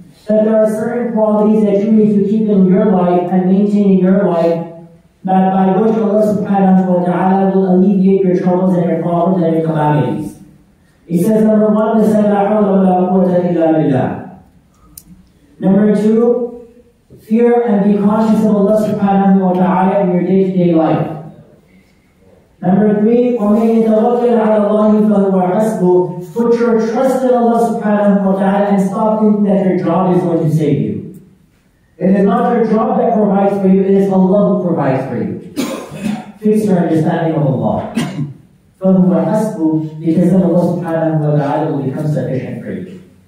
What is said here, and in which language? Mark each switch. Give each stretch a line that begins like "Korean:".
English: That there are certain qualities that you need to keep in your life and maintain in your life, that by which Allah subhanahu wa ta'ala will alleviate your troubles and your problems and your calamities. He says, number one, is
Arabic: la hawla wa la quwwata illa billah.
English: Number two, fear and be conscious of Allah subhanahu wa ta'ala in your day-to-day life. Number three,
Arabic: وَمَنْ يَتَوَكَّلْ عَلَى اللَّهِ فَهُوَ حَسْبُهُ.
English: Put your trust in Allah subhanahu wa ta'ala and stop thinking that your job is going to save you. It is not your job that provides for you, it is Allah who provides for you. Fix your understanding of Allah.
Arabic: فَهُوَ حَسْبُهُ.
English: Because then Allah subhanahu wa ta'ala will become sufficient for you.